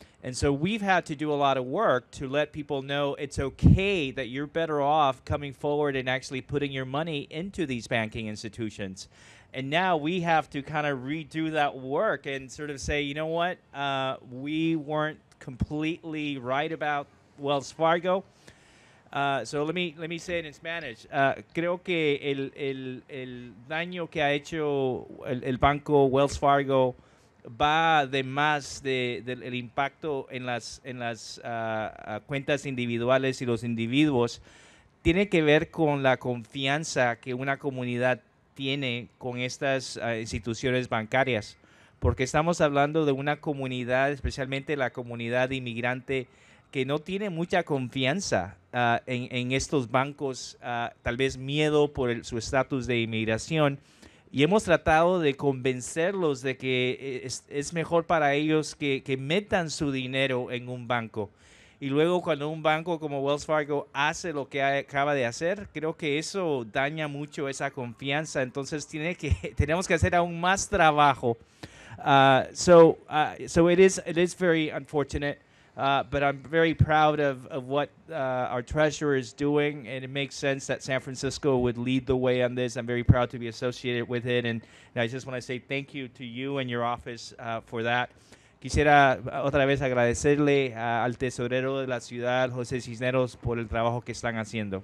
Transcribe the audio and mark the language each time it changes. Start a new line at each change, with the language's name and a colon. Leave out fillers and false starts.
English: And so we've had to do a lot of work to let people know it's okay, that you're better off coming forward and actually putting your money into these banking institutions. And now we have to kind of redo that work and sort of say, you know what, we weren't completely right about Wells Fargo. So let me say it in Spanish.
Spanish: Creo que el daño que ha hecho el banco Wells Fargo va de más del impacto en las cuentas individuales y los individuos. Tiene que ver con la confianza que una comunidad tiene con estas instituciones bancarias. Porque estamos hablando de una comunidad, especialmente la comunidad inmigrante, que no tiene mucha confianza en estos bancos, tal vez miedo por su estatus de inmigración. Y hemos tratado de convencerlos de que es mejor para ellos que metan su dinero en un banco. Y luego cuando un banco como Wells Fargo hace lo que acaba de hacer, creo que eso daña mucho esa confianza. Entonces tenemos que hacer aún más trabajo.
English: So it is very unfortunate, but I'm very proud of what our treasurer is doing, and it makes sense that San Francisco would lead the way on this. I'm very proud to be associated with it, and I just want to say thank you to you and your office for that.
Spanish: Quisiera otra vez agradecerle al tesorero de la ciudad, José Cisneros, por el trabajo que están haciendo.